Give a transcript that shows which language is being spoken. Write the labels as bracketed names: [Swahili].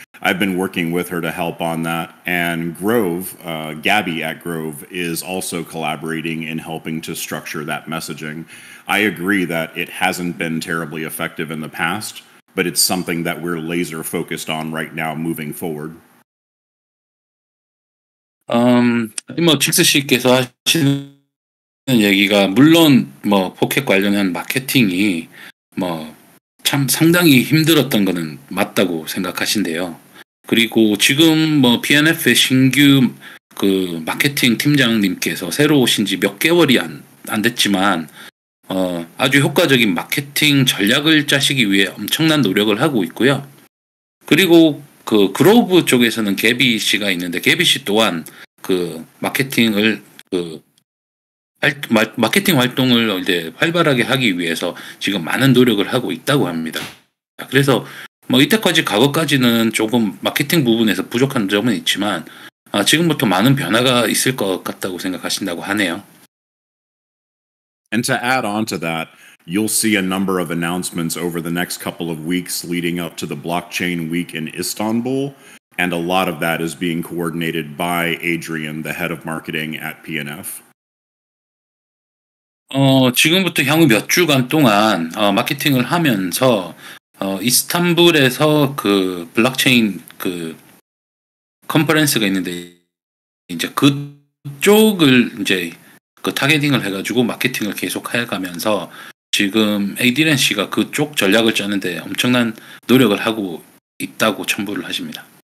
[English] I've been working with her to help on that. And Grove, Gabby at Grove, is also collaborating in helping to structure that messaging. I agree that it hasn't been terribly effective in the past, but it's something that we're laser focused on right now moving forward. [Korean] 뭐 칙스 씨께서 하시는 얘기가 물론 뭐 포켓 관련한 마케팅이 뭐 참 상당히 힘들었던 거는 맞다고 생각하신대요. 그리고 지금 뭐 BNF의 신규 그 마케팅 팀장님께서 새로 오신 지 몇 개월이 안 됐지만 아주 효과적인 마케팅 전략을 짜시기 위해 엄청난 노력을 하고 있고요. 그리고 그 그로브 쪽에서는 개비 씨가 있는데 개비 씨 또한 그 마케팅을 그 마케팅 활동을 이제 활발하게 하기 위해서 지금 많은 노력을 하고 있다고 합니다. 그래서 뭐 이때까지 과거까지는 조금 마케팅 부분에서 부족한 점은 있지만 지금부터 많은 변화가 있을 것 같다고 생각하신다고 하네요. [English] And to add on to that, you'll see a number of announcements over the next couple of weeks leading up to the Blockchain Week in Istanbul, and a lot of that is being coordinated by Adrian, the head of marketing at PNF. [Korean] 지금부터 향후 몇 주간 동안 마케팅을 하면서 이스탄불에서 그 블록체인 그 컨퍼런스가 있는데 이제 그쪽을 이제 그 타겟팅을 해가지고 마케팅을 계속 해가면서 지금 에이디렌 씨가 그쪽 전략을 짜는데 엄청난 노력을 하고 있다고 첨부를 하십니다.